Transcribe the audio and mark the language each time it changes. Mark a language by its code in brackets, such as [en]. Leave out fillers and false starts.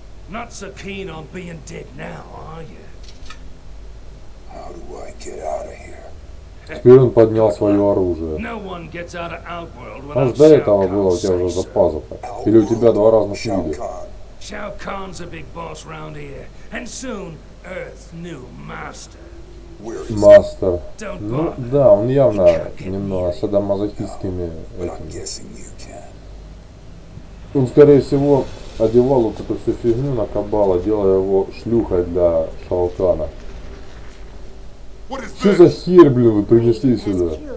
[en] Not so keen on being dead now, are you? How do I get out of here? [ru] Теперь он поднял свое оружие. [en] No one gets out of Outworld without Shao Kahn. [ru] До этого было у тебя уже за пазухой. Или у тебя два разных вида? [en] Shao Kahn's a big boss round here, and soon Earth's new master. Master. [ru] Ну да, он явно немного садомазохистскими этими. Он, скорее всего, одевал вот эту всю фигню на Кабала, делая его шлюхой для Шао Кана. Что за хер, блин, вы принесли сюда?